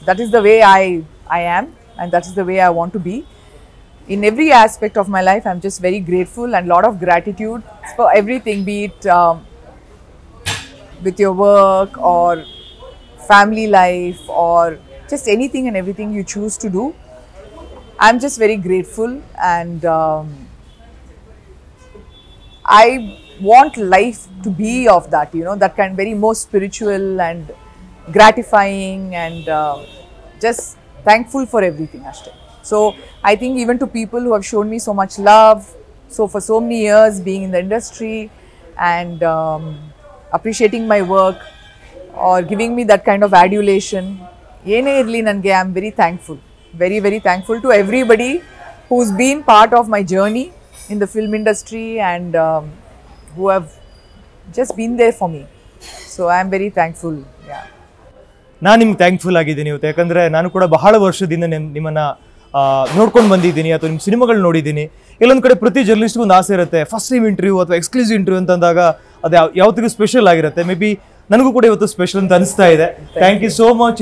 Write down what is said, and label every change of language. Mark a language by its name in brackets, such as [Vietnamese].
[English] That is the way I am and that is the way I want to be. In every aspect of my life I am just very grateful and lot of gratitude for everything, be it with your work or family life or just anything and everything you choose to do. I'm just very grateful and I want life to be of that, you know, that kind of very most spiritual and gratifying and just thankful for everything, Ashton. So I think even to people who have shown me so much love, So for so many years being in the industry and appreciating my work or giving me that kind of adulation, I am very thankful. Very, very thankful to everybody who's been part of my journey in the film industry and who have just been there for me. So I am very thankful. [Kannada] ನಾನು thankful ಆಗಿದ್ದೀನಿ ಇವತ್ತು, ಯಾಕಂದರೆ ನಾನು ಕೂಡ ಬಹಳ ವರ್ಷದಿಂದ ನಿಮ್ಮನ್ನು ನೋಡ್ಕೊಂಡು ಬಂದಿದ್ದೀನಿ ಅಥವಾ ನಿಮ್ಮ ಸಿನಿಮಾಗಳು ನೋಡಿದ್ದೀನಿ. ಇಲ್ಲೊಂದು ಕಡೆ ಪ್ರತಿ ಜರ್ನಲಿಸ್ಟ್ಗೆ ಒಂದು ಆಸೆ ಇರುತ್ತೆ, ಫಸ್ಟ್ ಟೈಮ್ ಇಂಟರ್ವ್ಯೂ ಅಥವಾ ಎಕ್ಸ್ಕ್ಲೂಸಿವ್ ಇಂಟರ್ವ್ಯೂ ಅಂತಂದಾಗ ಅದು ಯಾವತ್ತಿಗೂ ಸ್ಪೆಷಲ್ ಆಗಿರುತ್ತೆ. ಮೇ ಬಿ ನನಗೂ ಕೂಡ ಇವತ್ತು ಸ್ಪೆಷಲ್ ಅಂತ ಅನಿಸ್ತಾ ಇದೆ. [English] Thank you so much.